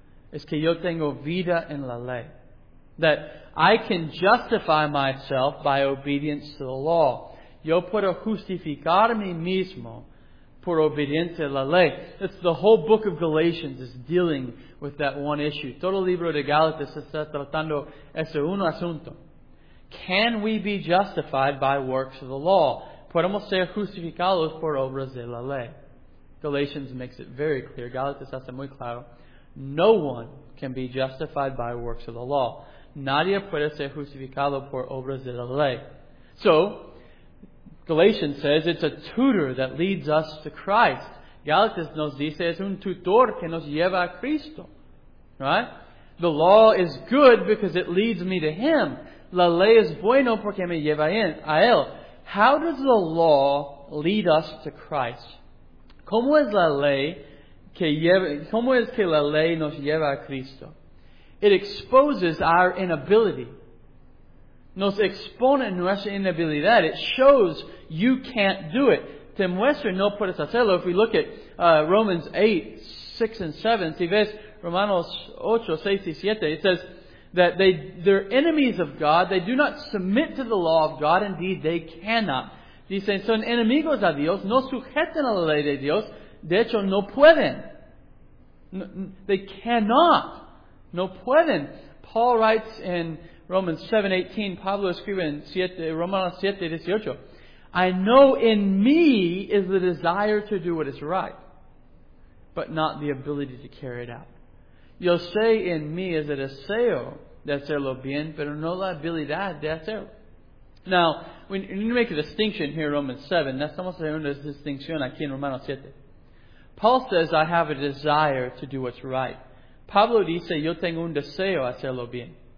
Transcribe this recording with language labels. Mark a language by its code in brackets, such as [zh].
[es] Es que yo tengo vida en la ley. [en] That I can justify myself by obedience to the law. [es] Yo puedo justificarme mismo por obediencia a la ley. [en] It's the whole book of Galatians is dealing with that one issue. [es] Todo el libro de Gálatas está tratando ese uno asunto. [en] Can we be justified by works of the law? [es] Podemos ser justificados por obras de la ley. [en] Galatians makes it very clear. [es] Gálatas hace muy claro. [en] No one can be justified by works of the law. [es] Nadie puede ser justificado por obras de la ley. [en] So, Galatians says it's a tutor that leads us to Christ. [es] Galatians nos dice es un tutor que nos lleva a Cristo. [en] Right? The law is good because it leads me to Him. [es] La ley es bueno porque me lleva a Él. [en] How does the law lead us to Christ? [es] ¿Cómo es la ley que lleva, cómo es que la ley nos lleva a Cristo? [en] It exposes our inability. [es] Nos expone nuestra inabilidad. [en] It shows you can't do it. [es] Te muestra no puedes hacerlo. [en] If we look at Romans 8, 6 and 7, [es] si ves Romanos 8, 6 y 7, [en] it says that they're enemies of God. They do not submit to the law of God. Indeed, they cannot. [es] Dicen, son enemigos a Dios. No sujetan a la ley de Dios. De hecho, no pueden. [en] They cannot. [es] No pueden. [en] Paul writes in Romans 7:18, [es] Pablo escribe en Romanos 7:18, [en] I know in me is the desire to do what is right, but not the ability to carry it out. [es] Yo sé en mí es el deseo de hacerlo bien, pero no la habilidad de hacerlo. [en] Now, we need to make a distinction here in Romans 7. [es] Necesitamos hacer una distinción aquí en Romanos 7. [en] Paul says, I have a desire to do what's right. [es] Pablo dice, yo tengo un deseo hacerlo bien.